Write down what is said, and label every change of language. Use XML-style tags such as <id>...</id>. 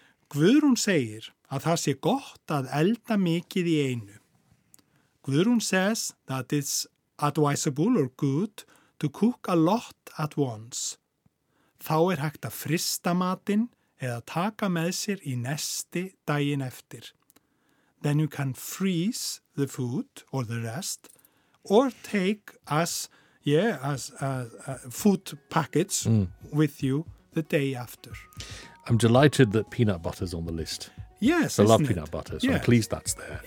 <is>Guðrún segir að það sé gott að elda mikið í einu.</is> <en>Guðrún says that it's advisable or good to cook a lot at once.</en> <is>Þá hægt að frista matinn eða taka með sér í nesti daginn eftir.</is> <en>Then you can freeze the food or the rest or take food packets with you the day after. I'm delighted that peanut butter's on the list. Yes, I love peanut butter, so I'm pleased that's there.</en>